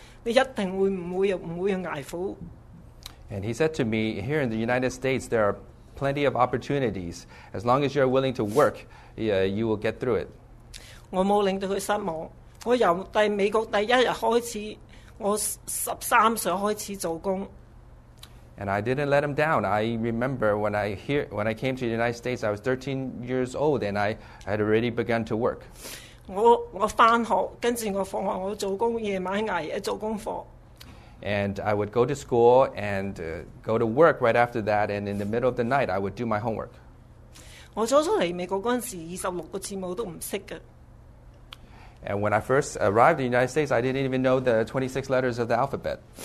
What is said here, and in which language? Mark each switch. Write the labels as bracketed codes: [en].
[zh] 他說,這個美國有很多機會的,只要你肯捱,肯做,你一定不會有捱苦。 [en] And he said to me, here in the United States, there are plenty of opportunities. As long as you're willing to work, you will get through it. [zh] 我沒有令到他失望。我從美國第一天開始,我13歲開始做工。 [en] And I didn't let him down. I remember when I came to the United States, I was 13 years old and I had already begun to work. [zh] 我上學,接著我放學,我做工,晚上熬夜做功課。 [en] And I would go to school and go to work right after that, and in the middle of the night, I would do my homework. [zh] 我初初來美國的時候,26個字母都不懂的。 [en] And when I first arrived in the United States, I didn't even know the 26 letters of the alphabet.